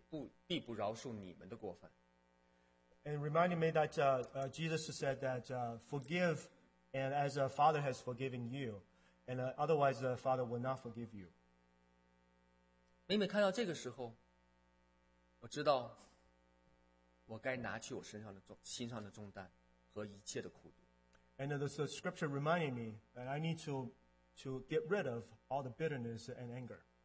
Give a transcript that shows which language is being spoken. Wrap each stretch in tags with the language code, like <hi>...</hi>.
<zh>你们饶恕人的过犯，你们的天父也必饶恕你们的过犯；你们不饶恕人的过犯，你们的天父也必不饶恕你们的过犯。</zh> <en>And reminding me that Jesus said that forgive, and as a father has forgiven you, and otherwise the father will not forgive you.</en> <zh>每每看到这个时候，我知道我该拿起我身上的重、心上的重担和一切的苦毒。</zh> <en>And the scripture reminded me that I need to get rid of all the bitterness and anger.</en>